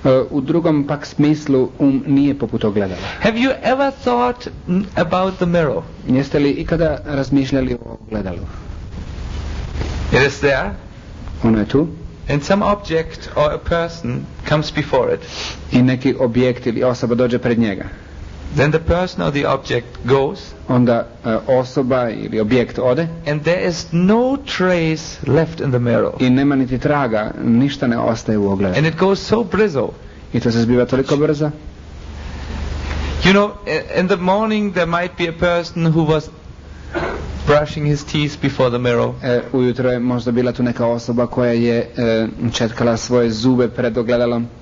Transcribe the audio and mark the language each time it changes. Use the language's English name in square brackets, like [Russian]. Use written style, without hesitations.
[Croatian] U drugom pak smislu um nije poput ogledala. [English] Have you ever thought about the mirror? [Croatian] Jeste li ikada razmišljali o ogledalu? [English] It is there. [Croatian] Ono je tu. [English] And some object or a person comes before it. [Croatian] I neki objekt ili osoba dođe pred njega. [English] Then the person or the object goes. [Croatian] Onda osoba ili objekt ode. [English] And there is no trace left in the mirror. [Croatian] I nema niti traga, ništa ne ostaje u ogledalu. [English] And it goes so [Croatian] brzo. I to se zbiva toliko brzo. [English] You know, in the morning there might be a person who was brushing his teeth before the mirror. [Croatian] Ujutro je možda bila tu neka osoba koja je četkala svoje zube pred ogledalom.